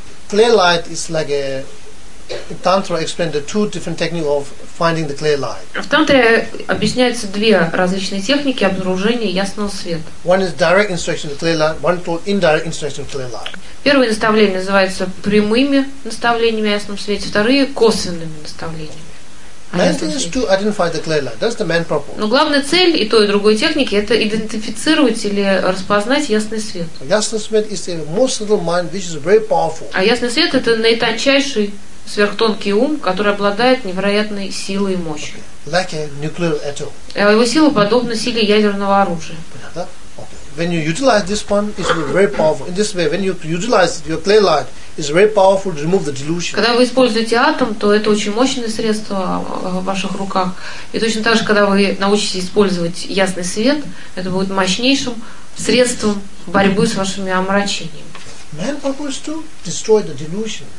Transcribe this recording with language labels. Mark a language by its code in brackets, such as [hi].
[en] Clear light is like a Tantra explained the 2 different techniques of finding the clear light. [ru] В тантре объясняются 2 различные техники обнаружения ясного света. [en] One is direct instruction to clear light, one called indirect instruction to clear light. [ru] Первые наставления называются прямыми наставлениями о ясном свете, вторые косвенными наставлениями. [en] Main thing is to identify the clear light. That's the main purpose. [ru] Но главная цель и той, и другой техники – это идентифицировать или распознать ясный свет. Ясный свет [en] is the most subtle mind, which is very powerful. [ru] А ясный свет – это наитончайший сверхтонкий ум, который обладает невероятной силой и мощью. [en] Like a nuclear atom. [ru] Его сила подобна силе ядерного оружия. [en] Okay. When you utilize this one, it's very powerful. In this way, when you utilize it, your clear light, it's very powerful to remove the delusion. [ru] Когда вы используете атом, то это очень мощное средство в ваших руках. И точно так же, когда вы научитесь использовать ясный свет, это будет мощнейшим средством борьбы с вашими омрачениями. [en] Man purpose to destroy the delusion.